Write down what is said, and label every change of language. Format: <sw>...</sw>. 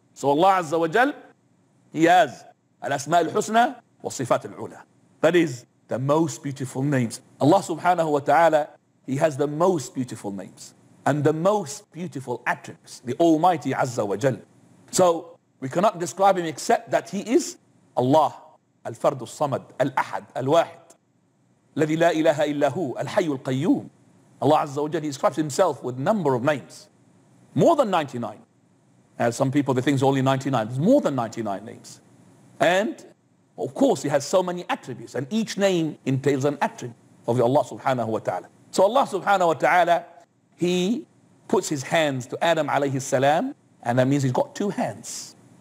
<en>So Allah Azza wa Jal, he has</en> <ar>al-asma al-husna wa sifat al-ula.</ar> <en>That is the most beautiful names. Allah subhanahu wa ta'ala, he has the most beautiful names and the most beautiful attributes, the Almighty Azza wa Jal. So we cannot describe him except that he is Allah.</en> <ar>الفرد الصمد الأحد الواحد الذي لا إله إلا هو الحي القيوم.</ar> <en>Allah Azza wa Jal, he describes himself with number of names, more than 99. As some people, they think it's only 99. There's more than 99 names. And of course he has so many attributes, and each name entails an attribute of Allah subhanahu wa ta'ala. So Allah subhanahu wa ta'ala, he puts his hands to Adam alayhi salam, and that means he's got two hands.</en>